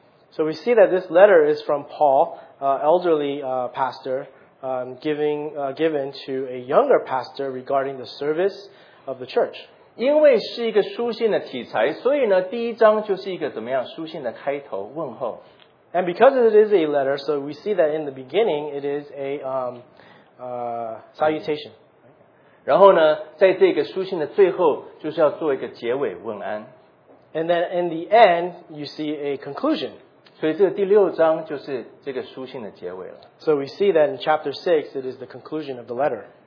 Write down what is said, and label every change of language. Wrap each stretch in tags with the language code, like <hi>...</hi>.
<en>So we see that this letter is from Paul, elderly pastor, given to a younger pastor regarding the service of the church. And because it is a letter, so we see that in the beginning it is a salutation.</en> <zh>然后呢，在这个书信的最后，就是要做一个结尾问安。</zh> <en>And then in the end, you see a conclusion. So we see that in chapter 6, it is the conclusion of the letter.</en>